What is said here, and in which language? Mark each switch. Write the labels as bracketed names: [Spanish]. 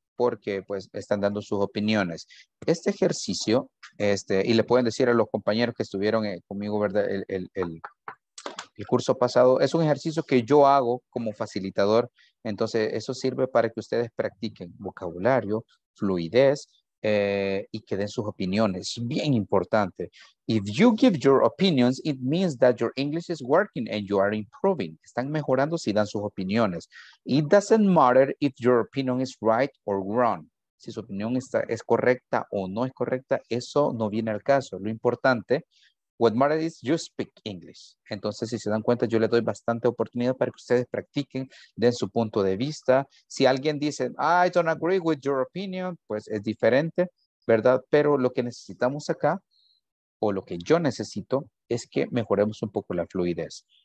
[Spanish] Porque pues están dando sus opiniones. Este ejercicio, este, y le pueden decir a los compañeros que estuvieron conmigo, ¿verdad? El curso pasado, es un ejercicio que yo hago como facilitador. Entonces, eso sirve para que ustedes practiquen vocabulario, fluidez, y que den sus opiniones. Bien importante. [English] If you give your opinions, it means that your English is working and you are improving. [Spanish] Están mejorando si dan sus opiniones. [English] It doesn't matter if your opinion is right or wrong. [Spanish] Si su opinión está, es correcta o no es correcta, eso no viene al caso. Lo importante, [English] what matters is you speak English. [Spanish] Entonces, si se dan cuenta, yo le doy bastante oportunidad para que ustedes practiquen, den su punto de vista. Si alguien dice, [English] I don't agree with your opinion, [Spanish] pues es diferente, ¿verdad? Pero lo que necesitamos acá, o lo que yo necesito, es que mejoremos un poco la fluidez.